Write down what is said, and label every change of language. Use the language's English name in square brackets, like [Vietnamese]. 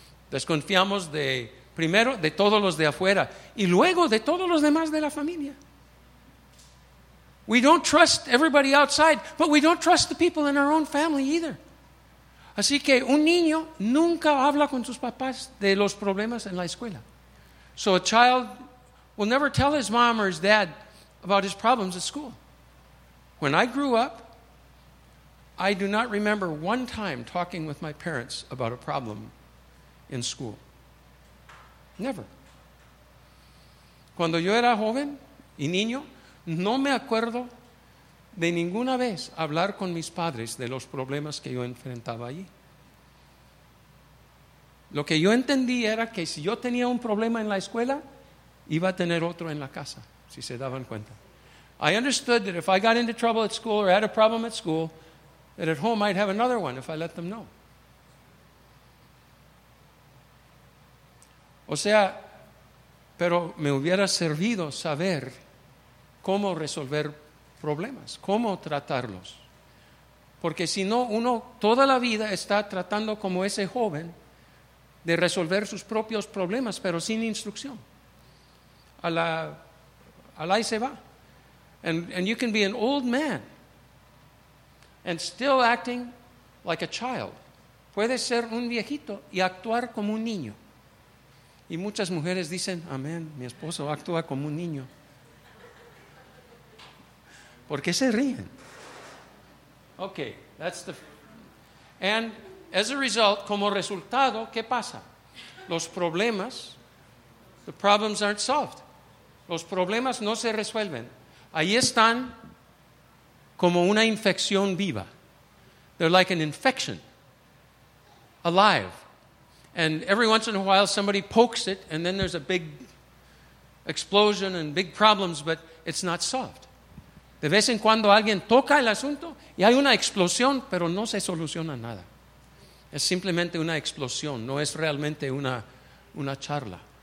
[Spanish] Desconfiamos de, primero, de todos los de afuera. Y luego, de todos los demás de la familia. [English] We don't trust everybody outside, but we don't trust the people in our own family either. [Spanish] Así que un niño nunca habla con sus papás de los problemas en la escuela. [English] So a child will never tell his mom or his dad about his problems at school. When I grew up, I do not remember one time talking with my parents about a problem in school. Never. [Spanish] Cuando yo era joven y niño, no me acuerdo de ninguna vez hablar con mis padres de los problemas que yo enfrentaba allí. Lo que yo entendí era que si yo tenía un problema en la escuela, iba a tener otro en la casa, si se daban cuenta. [English] I understood that if I got into trouble at school or had a problem at school, that at home I'd have another one if I let them know. [Spanish] O sea, pero me hubiera servido saber cómo resolver problemas, cómo tratarlos. Porque si no, uno toda la vida está tratando como ese joven de resolver sus propios problemas, pero sin instrucción. A la y se va. [English] And you can be an old man and still acting like a child. [Spanish] Puede ser un viejito y actuar como un niño. Y muchas mujeres dicen, amén, mi esposo actúa como un niño. ¿Por qué se ríen? [English] Okay, that's the... And as a result, [Spanish] como resultado, ¿qué pasa? Los problemas, [English] the problems aren't solved. [Spanish] Los problemas no se resuelven. Ahí están como una infección viva. [English] They're like an infection, alive. And every once in a while, somebody pokes it, and then there's a big explosion and big problems, but it's not solved. [Spanish] De vez en cuando alguien toca el asunto y hay una explosión, pero no se soluciona nada. Es simplemente una explosión, no es realmente una charla.